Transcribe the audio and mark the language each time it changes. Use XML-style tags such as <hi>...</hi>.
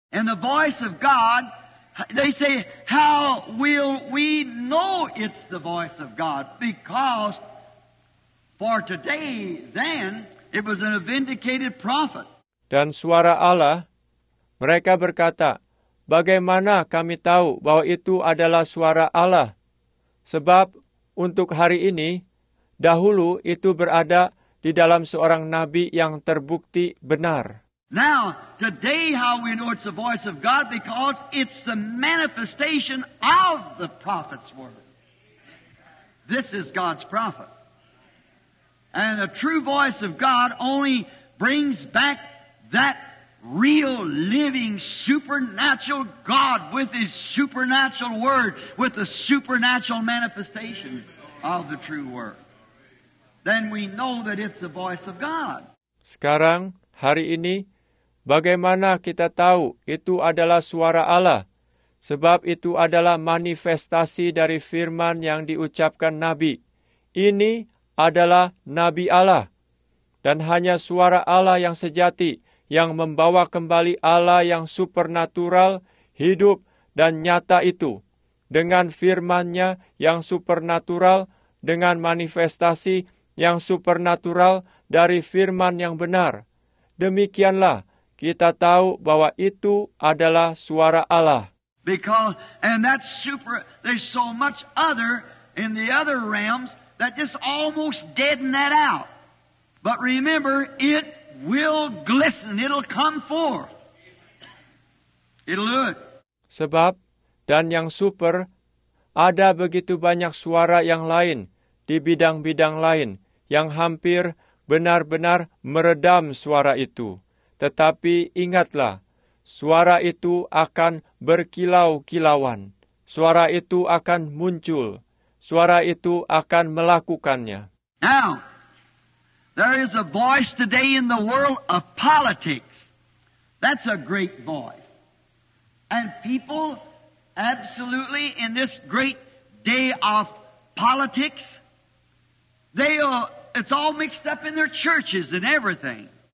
<en>And the voice of God, they say, how will we know it's the voice of God? Because for today, then, it was a vindicated prophet.</en> <id>Dan suara Allah, mereka berkata, bagaimana kami tahu bahwa itu adalah suara Allah? Sebab untuk hari ini, dahulu itu berada di dalam seorang nabi yang terbukti benar.</id> <en>Now, today how we know it's the voice of God, because it's the manifestation of the prophet's word. This is God's prophet. And the true voice of God only brings back that real, living, supernatural God with His supernatural Word, with the supernatural manifestation of the true Word. Then we know that it's the voice of God.</en> <id>Sekarang, hari ini, bagaimana kita tahu itu adalah suara Allah? Sebab itu adalah manifestasi dari firman yang diucapkan Nabi. Ini adalah Nabi Allah. Dan hanya suara Allah yang sejati, yang membawa kembali Allah yang supernatural, hidup, dan nyata itu, dengan firman-Nya yang supernatural, dengan manifestasi yang supernatural dari firman yang benar. Demikianlah kita tahu bahwa itu adalah suara Allah.</id> <en>Because, and that's super, there's so much other in the other realms that just almost deaden that out. But remember, it will glisten, it'll come forth. It'll do it.</en> <id>Sebab, dan yang super, ada begitu banyak suara yang lain di bidang-bidang lain yang hampir benar-benar meredam suara itu. Tetapi ingatlah, suara itu akan berkilau-kilauan. Suara itu akan muncul. Suara itu akan melakukannya.</id> <en>Now, there is a voice today in the world of politics. That's a great voice. And people absolutely in this great day of politics, it's all mixed up in their churches and everything.</en>